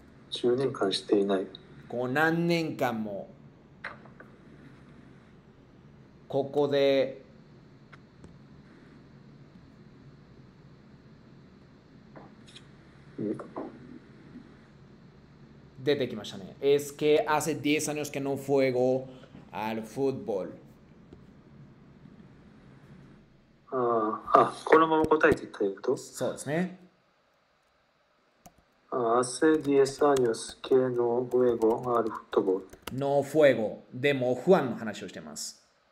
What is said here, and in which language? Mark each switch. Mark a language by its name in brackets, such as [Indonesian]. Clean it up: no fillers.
[Japanese] 10年間していない。こう何年間もここで出てきましたね。 [Spanish] Es que hace 10 años que no juego al fútbol. [Japanese] このまま答えていただけると。そうですね。 [Spanish] Hace 10 años que no juego al fútbol. No fuego. [Japanese] でも、ファンの話をしてます。